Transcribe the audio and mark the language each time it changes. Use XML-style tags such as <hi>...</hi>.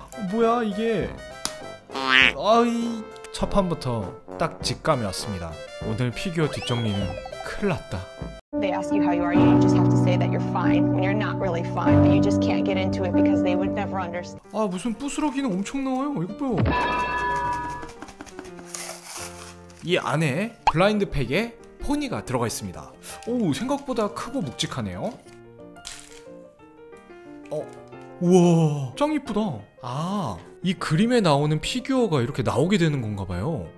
<ko>뭐야 이게. 아이, 첫 판부터 딱 직감이 왔습니다. 오늘 피규어 뒷정리는 큰일 났다.</ko> <en>They ask you how you are, you just have to say that you're fine when you're not really fine, but you just can't get into it because they would never understand.</en> <ko>아, 무슨 부스러기는 엄청 나와요. 이거 봐요. 이 안에 블라인드 팩에 포니가 들어가 있습니다. 오, 생각보다 크고 묵직하네요. 우와, 짱 이쁘다. 아, 이 그림에 나오는 피규어가 이렇게 나오게 되는 건가 봐요.</ko>